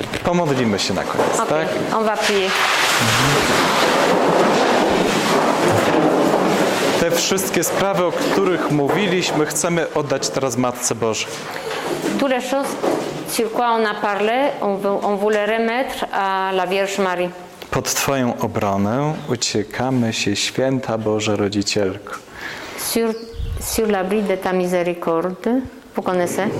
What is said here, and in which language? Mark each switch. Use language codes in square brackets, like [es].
[pl] Pomodlimy się na koniec, okay. Tak? [fr] On va prier. [pl] Te wszystkie sprawy, o których mówiliśmy, chcemy oddać teraz Matce Bożej. [fr] Toutes les choses sur quoi on a parlé, on voulait remettre à la Vierge Marie. [pl] Pod Twoją obronę uciekamy się, Święta Boże Rodzicielko. [fr] Sur l'abri de ta miséricorde, vous connaissez?